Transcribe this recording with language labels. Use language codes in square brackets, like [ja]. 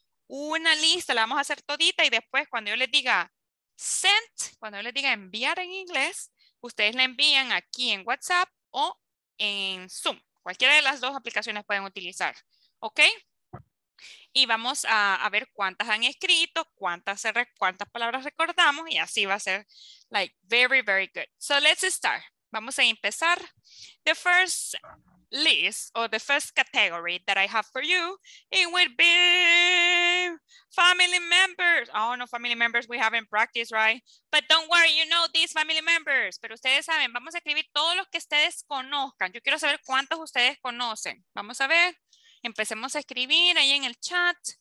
[es] Una lista la vamos a hacer todita y después cuando yo les diga send, cuando yo les diga enviar en inglés, ustedes la envían aquí en WhatsApp o en Zoom. Cualquiera de las dos aplicaciones pueden utilizar. ¿Ok? Y vamos a ver cuántas han escrito, cuántas palabras recordamos y así va a ser [en] like very, very good. So let's start. [es] Vamos a empezar. [en] The first list or the first category that I have for you, it would be family members. Oh no, family members, we haven't practiced, right? But don't worry, you know these family members. [es] Pero ustedes saben, vamos a escribir todos los que ustedes conozcan. Yo quiero saber cuántos ustedes conocen. Vamos a ver, empecemos a escribir ahí en el chat.